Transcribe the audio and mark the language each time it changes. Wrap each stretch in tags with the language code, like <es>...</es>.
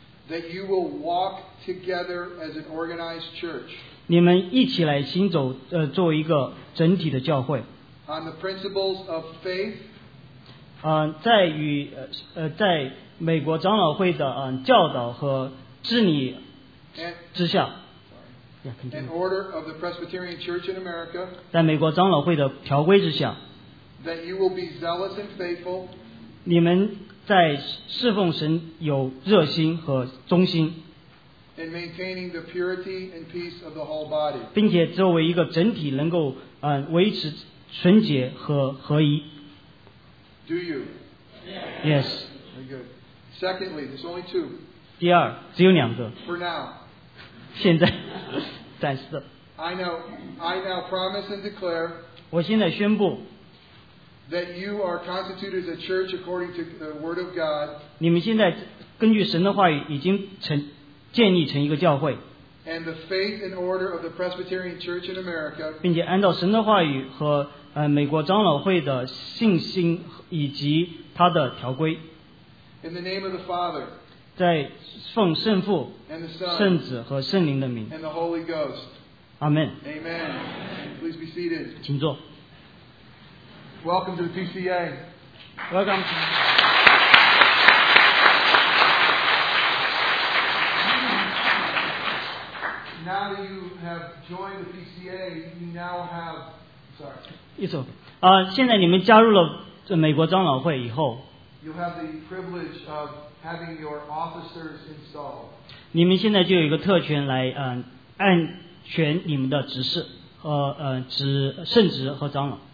<en>that you will walk together as an organized church,</en> <zh>你们一起来行走作为一个整体的教会</zh> <en>on the principles of faith,</en> <zh>在与在美国长老会的教导和治理之下</zh> <en>In order of the Presbyterian Church in America,</en> <zh>在美国长老会的条规之下</zh> <en>that you will be zealous and faithful,</en> <zh>你们在侍奉神有热心和忠心</zh> <en>in maintaining the purity and peace of the whole body,</en> <zh>并且作为一个整体能够维持纯洁和合一</zh> <en>Do you? Yes. Very good. Secondly, there's only two.</en> <zh>第二，只有两个</zh> <en>For now.</en> <zh>现在暂时的</zh> <en>I now promise and declare,</en> <zh>我现在宣布</zh> <en>that you are constituted as a church according to the word of God,</en> <zh>你们现在根据神的话语已经建立成一个教会</zh> <en>and the faith and order of the Presbyterian Church in America,</en> <zh>并且按照神的话语和美国长老会的信心以及他的条规</zh> <en>in the name of the Father,</en> <zh>在奉圣父</zh> <en>and the Son,</en> <zh>圣子和圣灵的名</zh> <en>and the Holy Ghost. Amen. Amen. Please be seated.</en> <zh>请坐</zh> <en>Welcome to the PCA. Welcome to Now that you have joined the PCA, you now have It's okay.</en> <zh>现在你们加入了美国长老会以后</zh> <en>You have the privilege ofHaving your officers installed.</en> <zh>你们现在就有一个特权来按权你们的执事和圣职和长老</zh>